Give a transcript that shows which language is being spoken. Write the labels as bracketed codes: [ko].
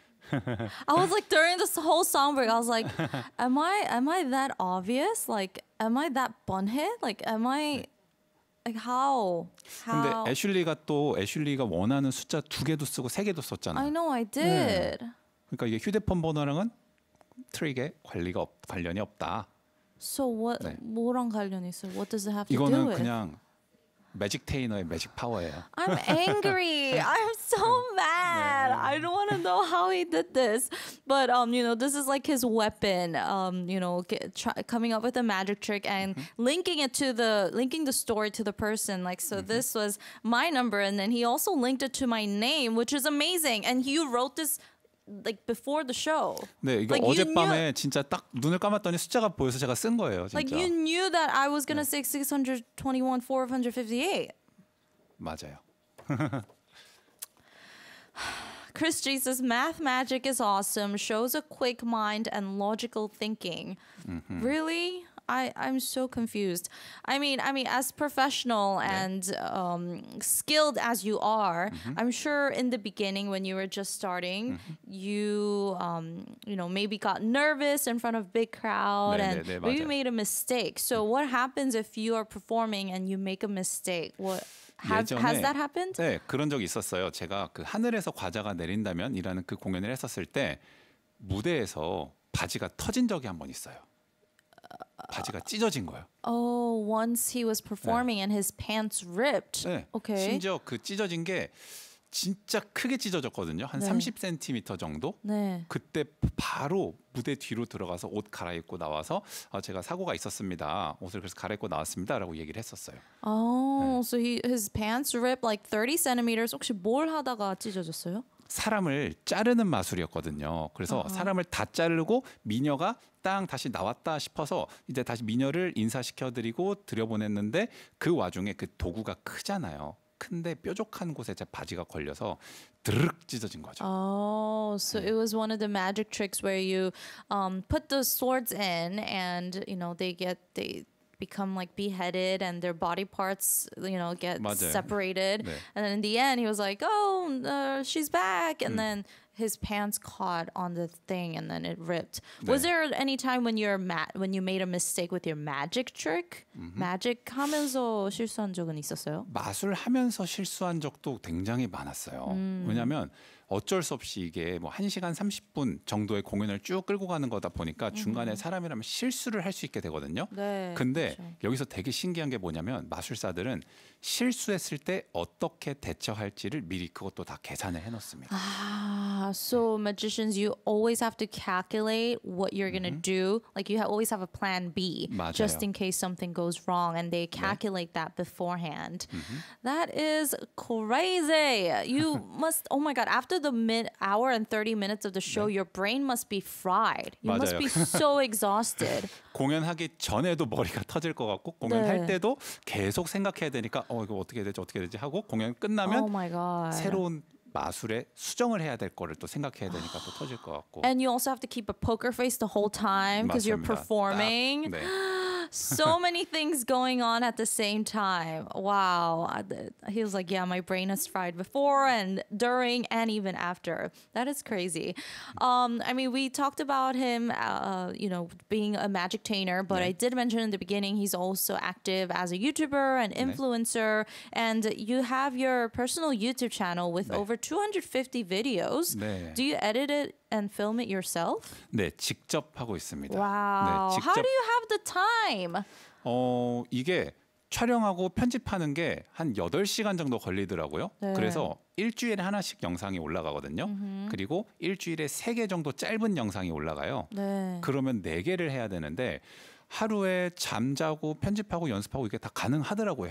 [en] I was like during this whole song break, I was like, am I that obvious? Like, am I that bunhead? Like, am I like how? [ko] 근데 애슐리가 또 애슐리가 원하는 숫자 두 개도 쓰고 세 개도 썼잖아. [en] I know, I did. [ko] 그러니까 이게 휴대폰 번호랑은 트릭에 관리가 없, 관련이 없다. [en] So what? [ko] 네. 뭐랑 관련 있어요? [en] What does it have to do with? [ko] 이거는 그냥 매직테이너의 매직 파워예요. [en] I'm angry. I'm so mad. 네. I don't want to know how he did this. But you know, this is like his weapon. You know, coming up with a magic trick and linking the story to the person. Like, so this was my number, and then he also linked it to my name, which is amazing. And he wrote this. Like before the show. [ko] 네, 이거 [en] like [ko] 어젯밤에 진짜 딱 눈을 감았더니 숫자가 보여서 제가 쓴 거예요. 진짜. [en] Like you knew that I was gonna 네. say 621,458. [ko] 맞아요. [en] Chris G says math magic is awesome. Shows a quick mind and logical thinking. Mm-hmm. Really? I'm so confused. I mean, as professional and skilled as you are, mm-hmm. I'm sure in the beginning when you were just starting, mm-hmm. you know maybe got nervous in front of big crowd [ko] 네, [en] and [ko] 네, 네, [en] maybe [ko] 맞아요. [en] made a mistake. So what happens if you are performing and you make a mistake? What has that happened? [ko] 네, 그런 적 있었어요. 제가 그 하늘에서 과자가 내린다면이라는 그 공연을 했었을 때 무대에서 바지가 터진 적이 한번 있어요. 바지가 찢어진 거예요. [en] Oh, once he was performing 네. and his pants ripped. 네. Okay. [ko] 심지어 그 찢어진 게 진짜 크게 찢어졌거든요. 한 네. 30cm 정도. 네. 그때 바로 무대 뒤로 들어가서 옷 갈아입고 나와서 제가 사고가 있었습니다. 옷을 그래서 갈아입고 나왔습니다라고 얘기를 했었어요. [en] Oh, 네. so his pants ripped like 30cm. [ko] 혹시 뭘 하다가 찢어졌어요? 사람을 자르는 마술이었거든요. 그래서 uh-huh. 사람을 다 자르고 미녀가 땅 다시 나왔다 싶어서 이제 다시 미녀를 인사시켜드리고 들여보냈는데 그 와중에 그 도구가 크잖아요. 큰데 뾰족한 곳에 제 바지가 걸려서 드르륵 찢어진 거죠. [en] Oh, so it was one of the magic tricks where you put the swords in and you know they become like beheaded and their body parts you know get [ko] 맞아요. [en] separated [ko] 네. [en] and then in the end he was like oh she's back and then his pants caught on the thing and then it ripped 네. was there any time when you're mad when you made a mistake with your magic trick mm-hmm. [ko] magic 하면서 실수한 적은 있었어요? 마술 하면서 실수한 적도 굉장히 많았어요. 왜냐면 어쩔 수 없이 이게 뭐 1시간 30분 정도의 공연을 쭉 끌고 가는 거다 보니까 중간에 사람이라면 실수를 할 수 있게 되거든요. 네, 근데 그렇죠. 여기서 되게 신기한 게 뭐냐면 마술사들은 실수했을 때 어떻게 대처할지를 미리 그것도 다 계산을 해놓습니다. [en] 아, so magicians, you always have to calculate what you're going to do. Like you always have a plan B [ko] 맞아요. [en] just in case something goes wrong and they calculate 네. that beforehand. That is crazy. You must, oh my god, after the mid hour and 30 minutes of the show, 네. your brain must be fried. You [ko] 맞아요. [en] must be so exhausted. [ko] 공연하기 전에도 머리가 터질 것 같고 공연할 네. 때도 계속 생각해야 되니까 이거 어떻게 해야 되지 어떻게 해야 되지 하고 공연 끝나면 [en] oh my god. [ko] 새로운 마술에 수정을 해야 될 거를 또 생각해야 되니까 또 터질 것 같고 [en] And you also have to keep a poker face the whole time because you're performing. [ko] 딱, 네. [en] So many things going on at the same time. Wow. He was like, yeah, my brain is fried before and during and even after. That is crazy. I mean, we talked about him, you know, being a magic tainer, but yeah. I did mention in the beginning he's also active as a YouTuber and influencer. Yeah. And you have your personal YouTube channel with over 250 videos. Yeah. Do you edit it and film it yourself? [ko] 네, 직접 하고 있습니다. [en] Wow. [ko] 직접. [en] How do you have the time? [ko] 이게 촬영하고 편집하는 게 한 8시간 정도 걸리더라고요. 네. 그래서 일주일에 하나씩 영상이 올라가거든요. Mm-hmm. 그리고 일주일에 3개 정도 짧은 영상이 올라가요. 네. 그러면 4개를 해야 되는데 하루에 잠자고 편집하고 연습하고 이게 다 가능하더라고요.